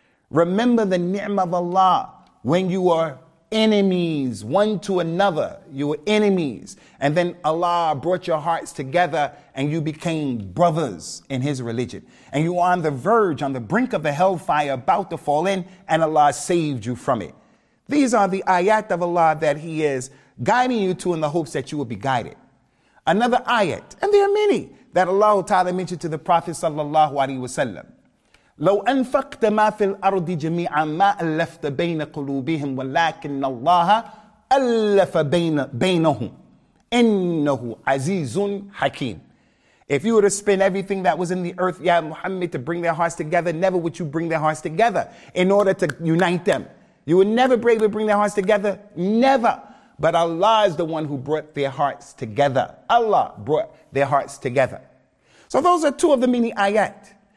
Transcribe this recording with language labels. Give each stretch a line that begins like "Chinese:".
English: Remember the ni'mah of Allah when you are enemies one to another, you were enemies, and then Allah brought your hearts together and you became brothers in His religion, and you were on the verge, on the brink of the hellfire about to fall in, and Allah saved you from it. These are the ayat of Allah that He is guiding you to in the hopes that you will be guided. Another ayat, and there are many, that Allah Ta'ala mentioned to the Prophet sallallahu alaihi wasallam.
Arabic: لو أنفقت ما في الأرض جميعا ما ألفت بين قلوبهم ولكن الله ألف بينهم إنه عزيز حكيم.
English: If you were to spend everything that was in the earth, Ya Muhammad, to bring their hearts together, never would you bring their hearts together in order to unite them. You would never be able to bring their hearts together, never. But Allah is the one who brought their hearts together. Allah brought their hearts together. So those are two of the many ayat.